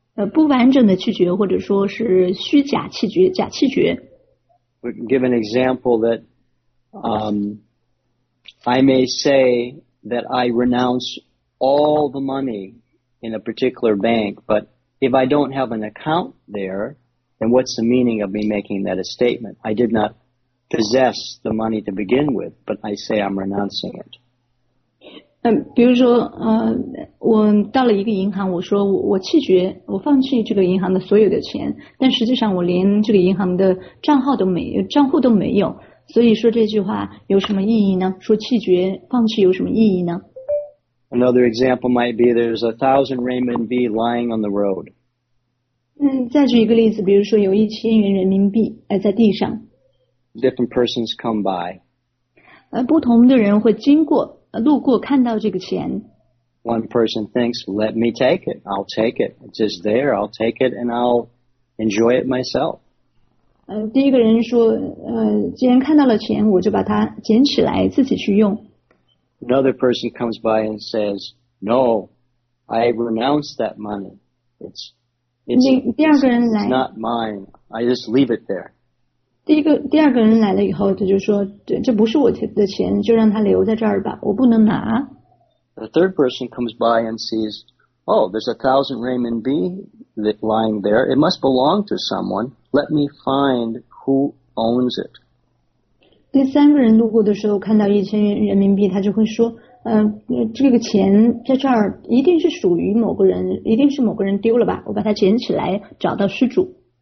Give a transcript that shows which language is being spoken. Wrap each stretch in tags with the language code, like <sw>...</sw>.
<zh>不完整的弃绝，或者说是虚假弃绝，假弃绝。</zh> <en>We can give an example that, I may say that I renounce all the money in a particular bank, but if I don't have an account there, then what's the meaning of me making that a statement? I did notpossess the money to begin with, but I say I'm renouncing it.</en> <zh>比如说我到了一个银行，我说我弃绝，我放弃这个银行的所有的钱，但实际上我连这个银行的账户都没有，所以说这句话有什么意义呢？说弃绝放弃有什么意义呢？</zh> <en>Another example might be there's 1,000 Raymond B lying on the road.</en> <zh>再举一个例子，比如说有1,000元人民币在地上。</zh> <en>Different persons come by.</en> <zh>不同的人会经过路过看到这个钱。</zh> <en>One person thinks, let me take it. I'll take it. It's just there. I'll take it and I'll enjoy it myself.</en> <zh>第一个人说既然看到了钱我就把它捡起来自己去用。</zh> <en>Another person comes by and says, no, I renounce that money. It's not mine. I just leave it there.</en> <zh>第二个人来了以后，他就说：“这不是我的钱，就让他留在这儿吧，我不能拿。”</zh> <en>The third person comes by and sees, "Oh, there's 1,000 Raymond B lying there. It must belong to someone. Let me find who owns it."</en> <zh>那三个人路过的时候看到1000元人民币，他就会说，这个钱在这儿一定是属于某个人，一定是某个人丢了吧，我把它捡起来找到失主。</zh>